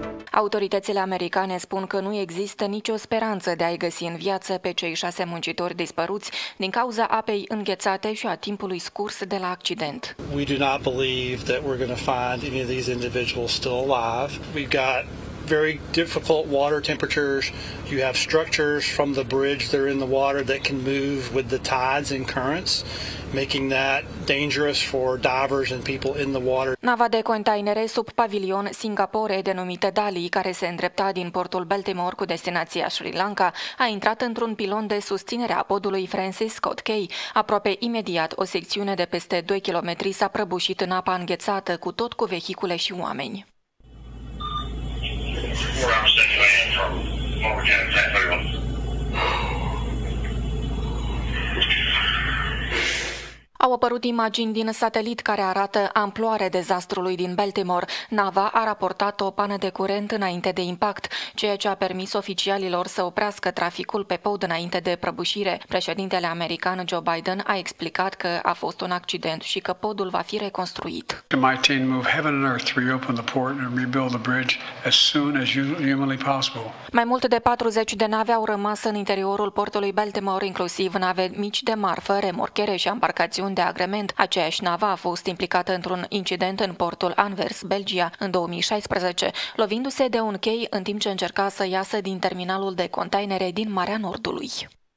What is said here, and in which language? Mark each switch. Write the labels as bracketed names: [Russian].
[Romanian] Autoritățile americane spun că nu există nicio speranță de a-i găsi în viață pe cei 6 muncitori dispăruți din cauza apei înghețate și a timpului scurs de la accident. [English] We do not believe that we're going to find any of these individuals still alive. We've got very difficult water temperatures. You have structures from the bridge that are in the water that can move with the tides and currents, making that dangerous for divers and people in the water. [Romanian] Nava de containere sub pavilion Singapore, denumită Dali, care se îndrepta din portul Baltimore cu destinația Sri Lanka, a intrat într-un pilon de susținere a podului Francis Scott Key. Aproape imediat, o secțiune de peste 2 km s-a prăbușit în apa înghețată, cu tot cu vehicule și oameni. Au apărut imagini din satelit care arată amploarea dezastrului din Baltimore. Nava a raportat o pană de curent înainte de impact, ceea ce a permis oficialilor să oprească traficul pe pod înainte de prăbușire. Președintele american Joe Biden a explicat că a fost un accident și că podul va fi reconstruit. [English] My team move heaven and earth to reopen the port and rebuild the bridge as soon as humanly possible. [Romanian] Mai mult de 40 de nave au rămas în interiorul portului Baltimore, inclusiv nave mici de marfă, remorchere și embarcații de agrement. Aceeași navă a fost implicată într-un incident în portul Anvers, Belgia, în 2016, lovindu-se de un chei în timp ce încerca să iasă din terminalul de containere din Marea Nordului.